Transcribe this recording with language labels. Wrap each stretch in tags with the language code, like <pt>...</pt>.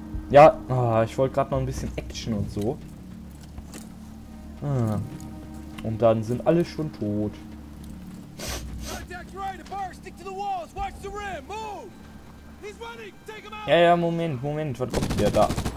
<de>Ja, oh, ich wollte gerade noch ein bisschen Action und so. Und dann sind alle schon tot.</de> <en>Contact right, Abara, stick to the walls, watch the rim, move!</en> <de>Ja, ja, Moment, Moment, was kommt hier da?</de>